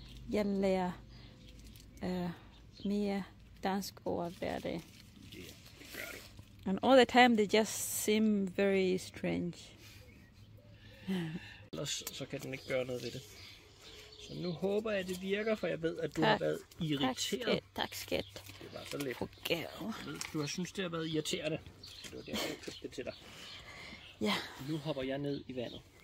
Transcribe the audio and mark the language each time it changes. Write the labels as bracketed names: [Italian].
[Danish] Jeg lærer mere dansk ord hver dag. [English] Yeah. And all the time they just seem very strange. [Danish] Ellers så kan den ikke gøre noget ved det. Nu håber jeg, at det virker, for jeg ved, at du har været irriteret. Tak skat. Det var så lidt. Okay. Du har synes, det har været irriterende. Det var derfor, jeg købte det til dig. Ja. Nu hopper jeg ned i vandet.